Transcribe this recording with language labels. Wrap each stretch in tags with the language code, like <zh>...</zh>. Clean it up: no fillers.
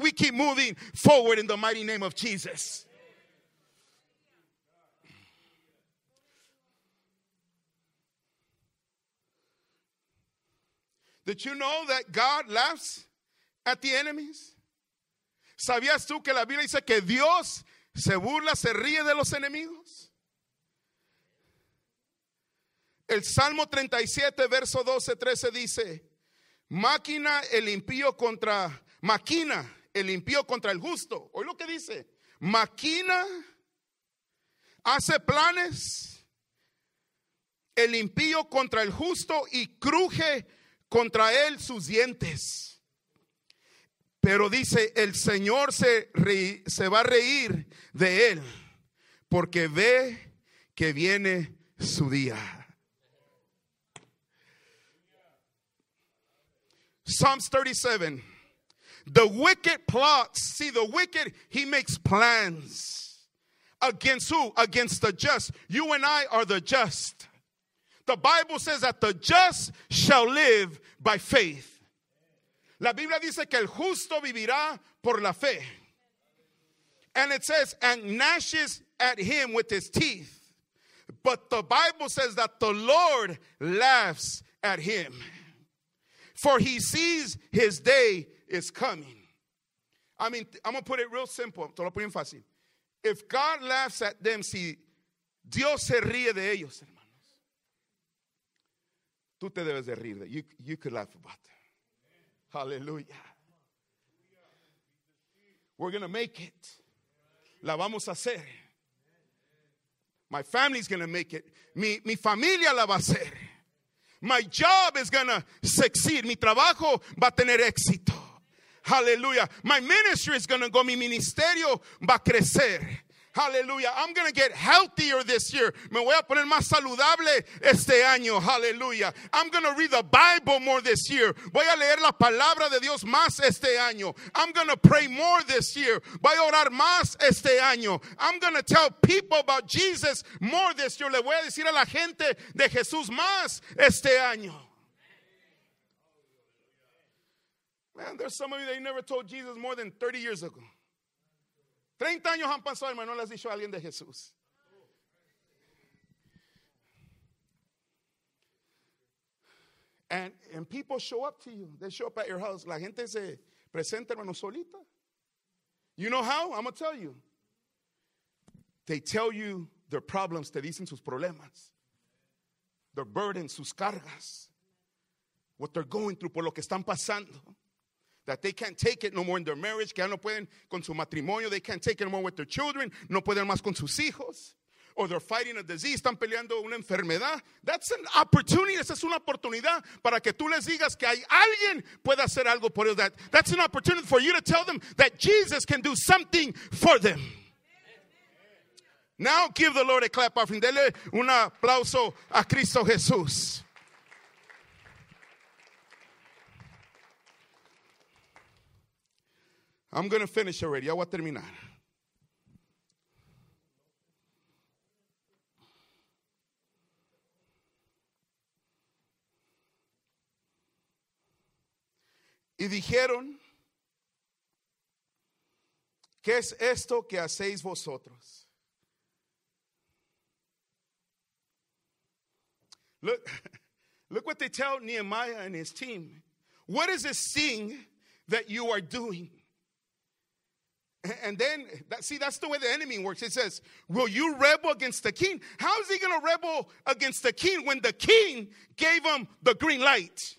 <en>We keep moving forward in the mighty name of Jesus. Did you know that God laughs at the enemies?</en> <es>¿Sabías tú que la Biblia dice que Dios se burla, se ríe de los enemigos? El Salmo 37, verso 12, 13 dice, maquina el impío contra el justo. Oye lo que dice, maquina, hace planes el impío contra el justo y cruje contra él sus dientes. Pero dice, el Señor se va a reír de él porque ve que viene su día.</es> <en>Psalms 37, the wicked plots, see the wicked, he makes plans. Against who? Against the just. You and I are the just. The Bible says that the just shall live by faith.</en> <es>La Biblia dice que el justo vivirá por la fe.</es> <en>And it says, and gnashes at him with his teeth. But the Bible says that the Lord laughs at him. For he sees his day is coming. I mean, I'm going to put it real simple.</en> <es>Te lo pongo fácil.</es> <en>If God laughs at them,</en> <es>si Dios se ríe de ellos, hermanos, tú te debes de rir.</es> <en>You could laugh about that.</en> <es>Hallelujah.</es> <en>We're going to make it.</en> <es>La vamos a hacer.</es> <en>My family's going to make it.</en> <es>Mi familia la va a hacer.</es> <en>My job is going to succeed.</en> <es>Mi trabajo va a tener éxito. Hallelujah.</es> <en>My ministry is going to go.</en> <es>Mi ministerio va a crecer.</es> <en>Hallelujah. I'm going to get healthier this year.</en> <es>Me voy a poner más saludable este año.</es> <en>Hallelujah. I'm going to read the Bible more this year.</en> <es>Voy a leer la palabra de Dios más este año.</es> <en>I'm going to pray more this year.</en> <es>Voy a orar más este año.</es> <en>I'm going to tell people about Jesus more this year.</en> <es>Le voy a decir a la gente de Jesús más este año.</es> <en>Man, there's some of you that you never told Jesus more than 30 years ago.</en> <es>30 años han pasado, hermano, no le has dicho a alguien de Jesús.</es> <en>And people show up to you. They show up at your house.</en> <es>La gente se presenta, hermano, solita.</es> <en>You know how? I'm going to tell you. They tell you their problems.</en> <es>Te dicen sus problemas.</es> <en>Their burdens,</en> <es>sus cargas.</es> <en>What they're going through,</en> <es>por lo que están pasando.</es> <en>That they can't take it no more in their marriage.</en> <es>Que ya no pueden con su matrimonio.</es> <en>They can't take it no more with their children.</en> <es>No pueden más con sus hijos.</es> <en>Or they're fighting a disease.</en> <es>Están peleando una enfermedad.</es> <en>That's an opportunity.</en> <es>Esa es una oportunidad para que tú les digas que hay alguien pueda hacer algo por ellos.</es> <en>That's an opportunity for you to tell them that Jesus can do something for them. Now give the Lord a clap offering.</en> <es>Dele un aplauso a Cristo Jesús.</es> <en>I'm going to finish already.</en> <es>Ya voy a terminar. Y dijeron, ¿qué es esto que hacéis vosotros?</es> <en>Look what they tell Nehemiah and his team. What is this thing that you are doing? And then, that's the way the enemy works. It says, will you rebel against the king? How is he going to rebel against the king when the king gave him the green light?</en>